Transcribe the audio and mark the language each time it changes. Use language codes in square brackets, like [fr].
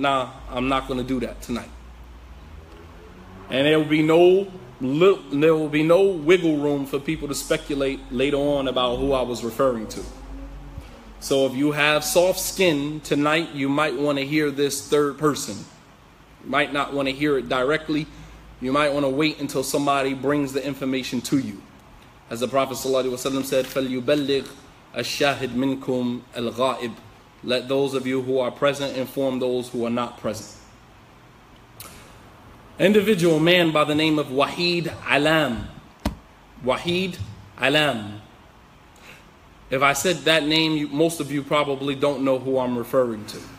[en] Nah, I'm not going to do that tonight. And there will be no wiggle room for people to speculate later on about who I was referring to. So if you have soft skin tonight, you might want to hear this third person. Might not want to hear it directly. You might want to wait until somebody brings the information to you. As the Prophet ﷺ said, [ar] فَلْيُبَلِّغْ الشَّاهِدْ مِنْكُمْ الْغَائِبْ. [en] Let those of you who are present inform those who are not present. Individual man by the name of Waheed Alam. Waheed Alam. If I said that name, most of you probably don't know who I'm referring to.